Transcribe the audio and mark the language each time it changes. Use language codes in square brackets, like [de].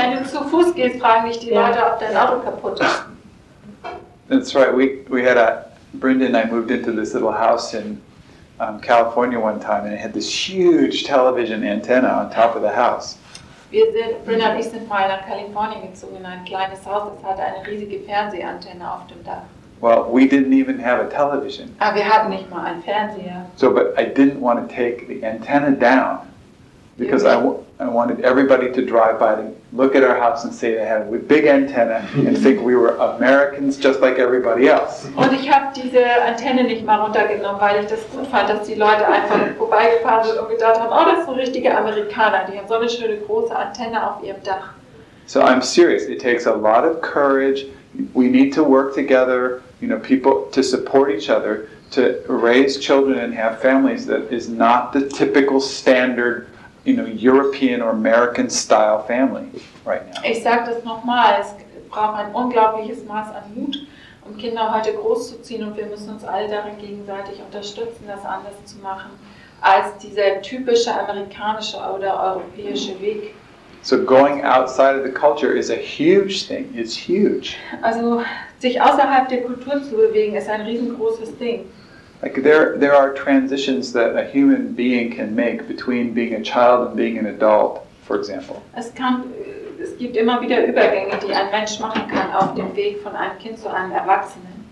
[de] Wenn du zu Fuß gehst, fragen dich die Leute, ob dein Auto kaputt ist. [en] That's right. We had a Brenda and I moved into this little house in California one time, and it had this huge television antenna on top of the house. [de] Wir sind Brenda und ich sind mal nach Kalifornien gezogen in ein kleines Haus. Es hatte eine riesige Fernsehantenne auf dem Dach. [en] Well, we didn't even have a television. [de] Aber wir hatten nicht mal einen Fernseher. [en] So, but I didn't want to take the antenna down because I wanted everybody to drive by to look at our house and say they had a big antenna and think we were Americans just like everybody else. [de] Und ich habe diese Antenne nicht mal runtergenommen, weil ich das gut fand, dass die Leute einfach vorbeigefahren sind und gedacht haben, oh, das sind richtige Amerikaner, die haben so eine schöne große Antenne auf ihrem Dach. [en] So I'm serious, it takes a lot of courage. We need to work together, you know, people to support each other, to raise children and have families that is not the typical standard, you know, European or American style family right now. [de] Ich sage das nochmal, es braucht ein unglaubliches Maß an Mut, um Kinder heute großzuziehen, und wir müssen uns alle darin gegenseitig unterstützen, das anders zu machen, als dieser typische amerikanische oder europäische Weg. [en] So going outside of the culture is a huge thing. It's huge. [de] Also, sich außerhalb der Kultur zu bewegen ist ein riesengroßes Ding. [en] Like there are transitions that a human being can make between being a child and being an adult, for example. [de] Es gibt immer wieder Übergänge, die ein Mensch machen kann auf dem Weg von einem Kind zu einem Erwachsenen.